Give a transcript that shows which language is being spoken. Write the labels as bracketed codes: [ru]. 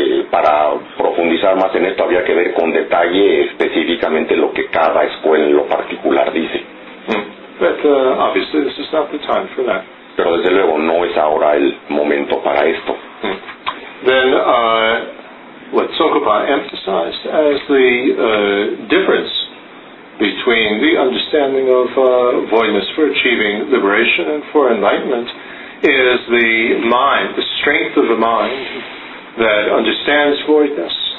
[es] Para profundizar más en esto, habría que ver con detalle específicamente lo que cada escuela en lo particular dice. [en] But obviously, this is not the time for that. [es] Pero desde luego, no es ahora el momento para esto. [en] What Tsongkhapa emphasized as the difference between the understanding of voidness for achieving liberation and for enlightenment is the mind, the strength of the mind that understands voidness.